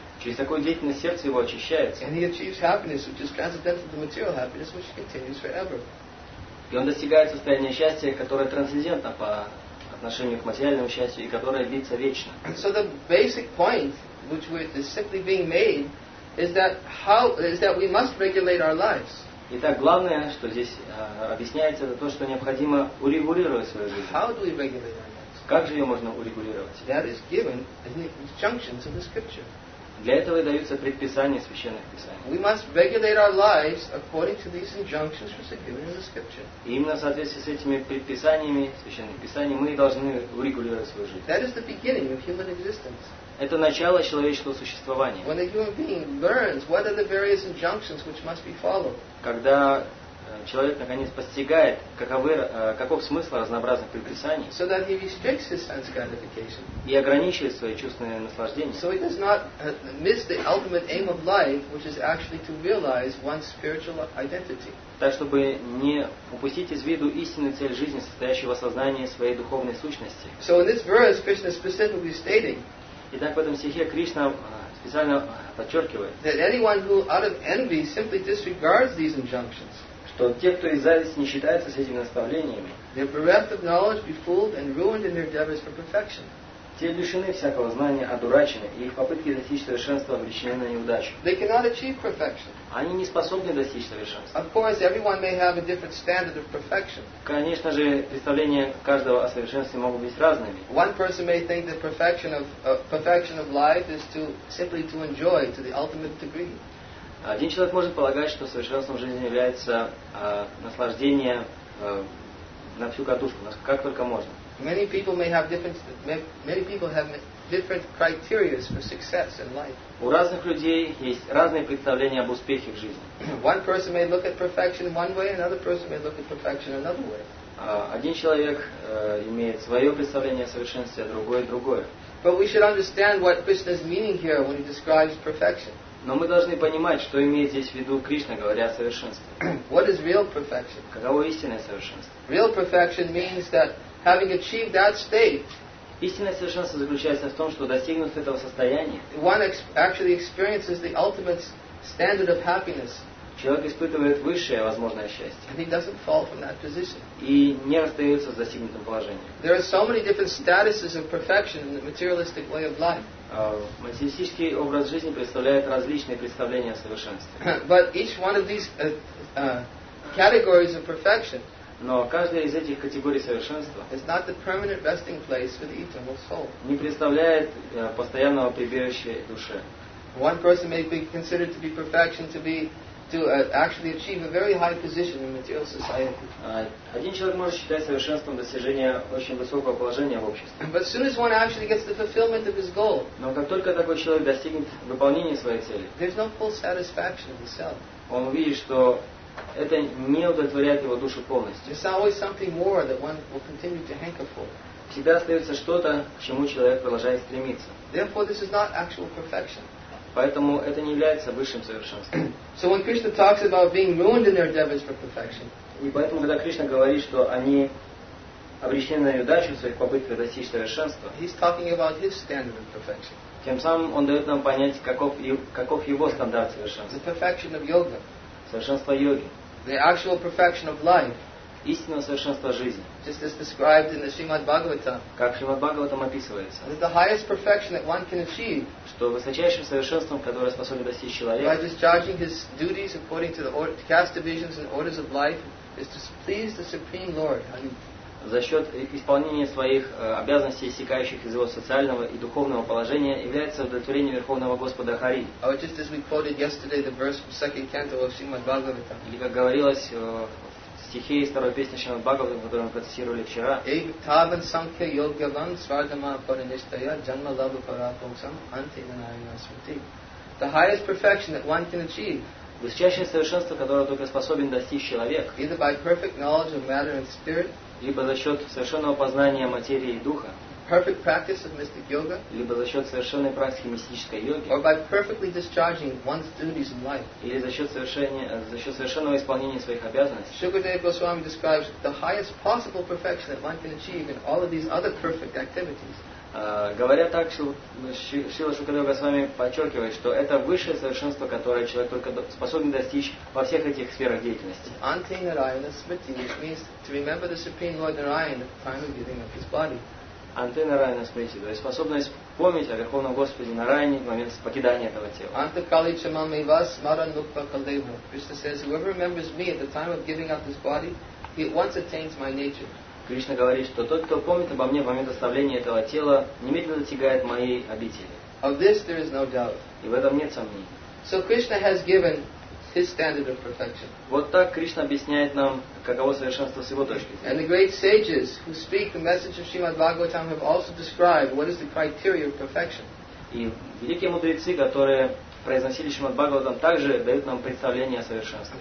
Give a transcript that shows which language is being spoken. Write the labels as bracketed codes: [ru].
[ru] Через такую деятельность сердце его очищается. [en] And he achieves happiness, which is transcendental to material happiness, which continues forever. [ru] И он достигает состояния счастья, которое трансцендентно по отношению к материальному счастью и которое длится вечно. [en] So the basic point which is simply being made is that we must regulate our lives. [ru] Итак, главное, что здесь объясняется, это то, что необходимо урегулировать свою жизнь. [en] How do we regulate our lives? [ru] Как же ее можно урегулировать? [en] That is given in the injunctions of the scripture. [ru] Для этого и даются предписания священных писаний. [en] We must regulate our lives according to these injunctions which are given in the scripture. [ru] И именно в соответствии с этими предписаниями священных писаний мы должны урегулировать свою жизнь. [en] That is the beginning of human existence. [ru] Это начало человеческого существования. [en] When a human being learns what are the various injunctions which must be followed. [ru] Когда человек наконец постигает, каков смысл разнообразных предписаний, [en] so that he restricts his sense gratification, [ru] и ограничивает свои чувственные наслаждения, [en] so he does not miss the ultimate aim of life, which is actually to realize one's spiritual identity. [ru] Так, чтобы не упустить из виду истинную цель жизни, состоящую в осознании своей духовной сущности. [en] So in this verse, Krishna is specifically stating, [ru] итак, в этом стихе Кришна специально подчеркивает, [en] that anyone who out of envy simply disregards these injunctions, [ru] то те, кто из зависти не считается с этими наставлениями, [en] they're bereft of knowledge, befooled, and ruined in their endeavors for perfection. [ru] Те лишены всякого знания, одурачены, и их попытки достичь совершенства обречены на неудачу. [en] They cannot achieve perfection. [ru] Они не способны достичь совершенства. [en] Of course, everyone may have a different standard of perfection. [ru] Конечно же, представления каждого о совершенстве могут быть разными. [en] One person may think that perfection of life is to simply to enjoy to the ultimate degree. [ru] Один человек может полагать, что совершенством жизни является наслаждение на всю катушку, как только можно. [en] Many people may have different criteria for success in life. [ru] У разных людей есть разные представления об успехе в жизни. [en] One person may look at perfection one way, another person may look at perfection another way. [ru] Один человек имеет свое представление о совершенстве, а другой другое. [en] But we should understand what Krishna's meaning here when he describes perfection. [ru] Но мы должны понимать, что имеет здесь в виду Кришна, говоря о совершенстве. [en] What is real perfection? [ru] Каково истинное совершенство? [en] Real perfection means that having achieved that state, [ru] истинное совершенство заключается в том, что достигнув этого состояния, [en] one actually experiences the ultimate standard of happiness. [ru] Человек испытывает высшее возможное счастье. [en] And he doesn't fall from that position. [ru] И не расстается с достигнутым положением. [en] There are so many different statuses of perfection in the materialistic way of life. [ru] Материалистический образ жизни представляет различные представления о совершенстве. [en] But each one of these categories of perfection. [ru] Но каждая из этих категорий совершенства [en] is not the permanent resting place for the eternal soul. [ru] Не представляет постоянного прибежища душе. [en] One person may be considered to be perfection to actually achieve a very high position in material society. [ru] Один человек может считать совершенством достижение очень высокого положения в обществе. [en] But as soon as one actually gets the fulfillment of his goal, [ru] но как только такой человек достигнет выполнения своей цели, [en] there's no full satisfaction in himself. [ru] Он увидит, что это не удовлетворяет его душу полностью. [en] There's always something more that one will continue to hanker for. [ru] Всегда остается что-то, к чему человек продолжает стремиться. [en] Therefore, this is not actual perfection. [ru] Поэтому это не является высшим совершенством. [en] So when Krishna talks about being ruined in their endeavors for perfection, [ru] и поэтому, когда Кришна говорит, что они обречены на неудачу в своих попытках достичь совершенства, [en] he's talking about his standard of perfection. [ru] Тем самым он дает нам понять, каков его стандарт совершенства. [en] The perfection of yoga. [ru] Совершенство йоги. [en] The actual perfection of life. [ru] Истинное совершенство жизни. [en] Just as described in the Srimad Bhagavatam. [ru] Как в Шримад Бхагаватам описывается. [en] That the highest perfection that one can achieve. [ru] Что высочайшим совершенством, которое способен достичь человек. [en] By discharging his duties according to the caste divisions and orders of life, is to please the Supreme Lord. [ru] За счет исполнения своих обязанностей, истекающих из его социального и духовного положения, является удовлетворение Верховного Господа Хари. [en] Just as we quoted yesterday the verse from second canto of Srimad Bhagavatam. [ru] Или как говорилось стихи из второй песни Шримад Бхагаватам, которую мы процитировали вчера. [sa] Эйтабан санкхе йогаван свардама паринистая джанма лаба парапоксам анти нанайна смрти. [en] The highest perfection that one can achieve. [ru] Высочайшее совершенство, которое только способен достичь человек. [en] Either by perfect knowledge of matter and spirit. [ru] Либо за счет совершенного познания материи и духа. [en] Perfect practice of mystic yoga. [ru] Либо за счет совершенной практики мистической йоги. [en] Or by perfectly discharging one's duties in life. [ru] Или за счет совершенного исполнения своих обязанностей. [en] Shukadeva Goswami describes the highest possible perfection that one can achieve in all of these other perfect activities. [ru] Говоря так, Шрила Шукадева Госвами подчеркивает, что это высшее совершенство, которое человек только способен достичь во всех этих сферах деятельности. [en] Ante Narayana Smriti, which means to remember the Supreme Lord Narayana at the time of giving up his body. [ru] Анте Нарайана Смрити, то есть способность помнить о Верховном Господе Нарайане в момент покидания этого тела. [sa] Анте Кали Чамаме Вас Маран Лукха Калдеву. [en] Krishna says, whoever remembers me at the time of giving up his body, he at once attains my nature. [ru] Кришна говорит, что тот, кто помнит обо мне в момент оставления этого тела, немедленно достигает моей обители. [en] Of this there is no doubt. [ru] И в этом нет сомнений. [en] So Krishna has given his standard of perfection. [ru] Вот так Кришна объясняет нам, каково совершенство с его точки зрения. [en] And the great sages who speak the message of Srimad Bhagavatam have also described what is the criteria of perfection. [ru] И великие мудрецы, которые произносили Шримад Бхагаватам, также дают нам представление о совершенстве.